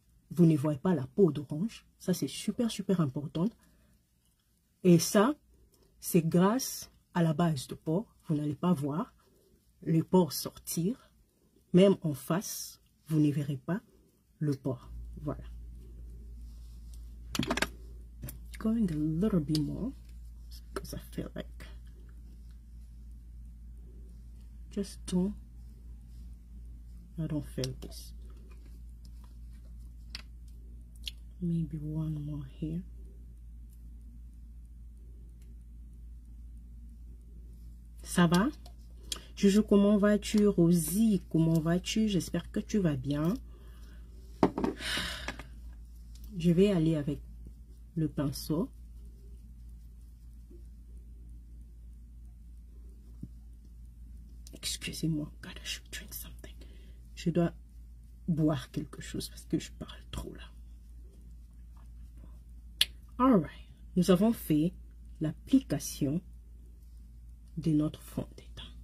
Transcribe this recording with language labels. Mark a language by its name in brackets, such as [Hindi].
[French] Vous ne voyez pas la peau d'orange. Ça, c'est super, super important. Et ça, c'est grâce à la base de pore. Vous n'allez pas voir le pore sortir. Même en face, vous ne verrez pas le pore. Voilà. [English] Going a little bit more, because I feel like just don't. I don't feel this. Maybe one more here. [French] Ça va? Juju, comment vas-tu? Rosie, comment vas-tu? J'espère que tu vas bien. Je vais aller avec le pinceau. je sais, moi, [English] God, I should drink something. [French] Je dois boire quelque chose parce que je parle trop là. [English] All right. [French] Nous avons fait l'application de notre fond d'état.